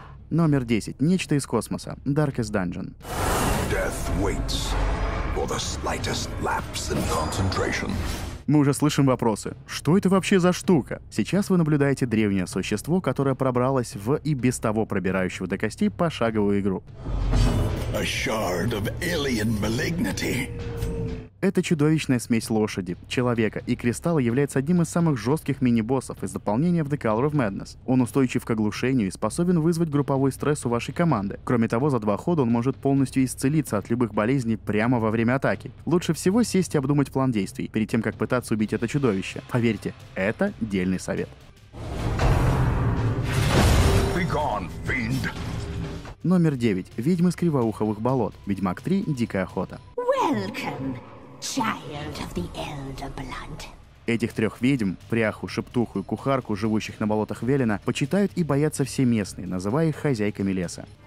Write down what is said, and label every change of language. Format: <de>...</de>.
<ru>Номер 10. Нечто из космоса.</ru> <en>Darkest Dungeon. Death waits for the slightest lapse in concentration.</en> <ru>Мы уже слышим вопросы. Что это вообще за штука? Сейчас вы наблюдаете древнее существо, которое пробралось в и без того пробирающего до костей пошаговую игру.</ru> <en>A shard of alien malignity.</en> <ru>Это чудовищная смесь лошади, человека и кристалла является одним из самых жестких мини-боссов из дополнения в The Color of Madness. Он устойчив к оглушению и способен вызвать групповой стресс у вашей команды. Кроме того, за два хода он может полностью исцелиться от любых болезней прямо во время атаки. Лучше всего сесть и обдумать план действий, перед тем, как пытаться убить это чудовище. Поверьте, это дельный совет.</ru> <en>Be gone, fiend.</en> <ru>Номер 9. Ведьмы с кривоуховых болот. Ведьмак 3. Дикая охота.</ru> <en>Welcome. Child of the Elder Blood.</en> <ru>Этих трех ведьм, Пряху, Шептуху и Кухарку, живущих на болотах Велена, почитают и боятся все местные, называя их хозяйками леса.</ru>